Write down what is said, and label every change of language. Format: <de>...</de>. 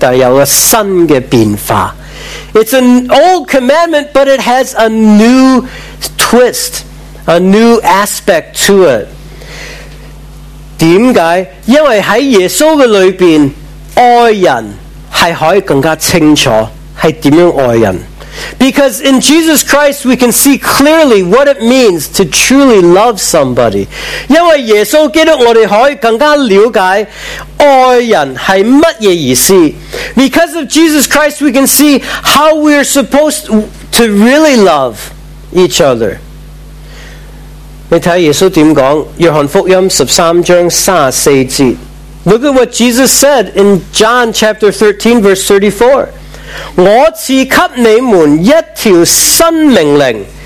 <zh>其实是旧的命令，但有了新的变化。</zh> <en>It's an old commandment, but it has a new twist, a new aspect to it.</en> <zh>为什么？因为在耶稣的里面，爱人 是可以更加清楚是怎样爱人。</zh> <en>Because in Jesus Christ we can see clearly what it means to truly love somebody.</en> <zh>因为耶稣基督我们可以更加了解爱人是什么意思。</zh> <en>Because of Jesus Christ we can see how we are supposed to really love each other.</en> <zh>你看耶稣怎么说，约翰福音13章34节。</zh> <en>Look at what Jesus said in John chapter 13, verse 34.</en> <zh>我赐给你们一条新命令,</zh>